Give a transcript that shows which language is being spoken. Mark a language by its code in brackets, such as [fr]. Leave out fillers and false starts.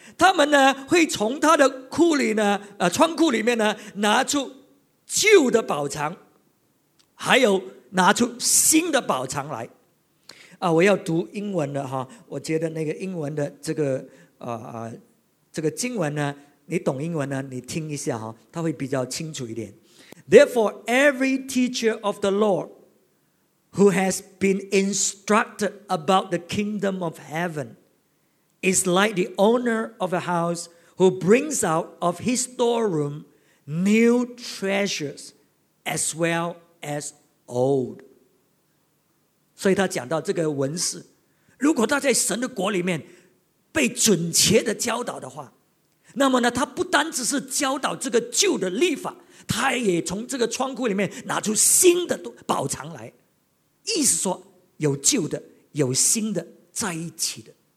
[zh] 他们呢会从他的库里呢仓库里面呢拿出旧的宝藏，还有拿出新的宝藏来。我要读英文的哈，我觉得那个英文的这个经文呢，你懂英文呢你听一下哈，它会比较清楚一点。 [en] Therefore every teacher of the Lord who has been instructed about the kingdom of heavenIs like the owner of a house who brings out of his storeroom new treasures as well as old. [zh] 所以他讲到这个文士，如果他在神的国里面被准确的教导的话，那么呢，他不单只是教导这个旧的律法，他也从这个仓库里面拿出新的宝藏来。意思说，有旧的，有新的，在一起的。